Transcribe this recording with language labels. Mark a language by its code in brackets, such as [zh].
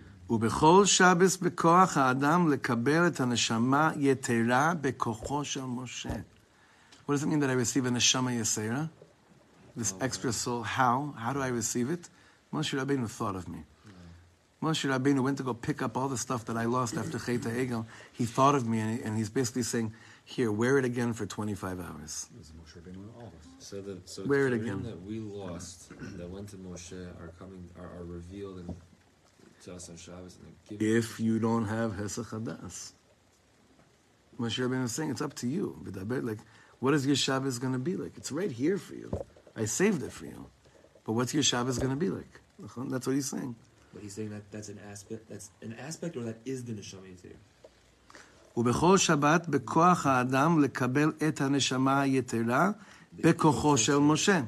[he] ובכל שבת בכוח האדם לקבל את הנשמה יתרה בכוחו של משה. [en] What does it mean that I receive a neshama yesera? This extra soul, how? How do I receive it? Moshe Rabbeinu thought of me. Moshe Rabbeinu went to go pick up all the stuff that I lost after Cheta Egel. He thought of me and he's basically saying, here, wear it again for 25 hours. So wear it again. That we lost, that went to Moshe, are revealed in, to us on Shabbos. And if you don't have Hesach Hadas. Moshe Rabbeinu is saying, it's up to you. Like, what is your Shabbos going to be like? It's right here for you. I saved it for you. But what's your Shabbos going to be like? That's what he's saying. But he's saying that's an aspect or that is the Neshama Yetzir. [he] ובכל שבת בכוח האדם לקבל את הנשמה היתרה בכוחו של משה.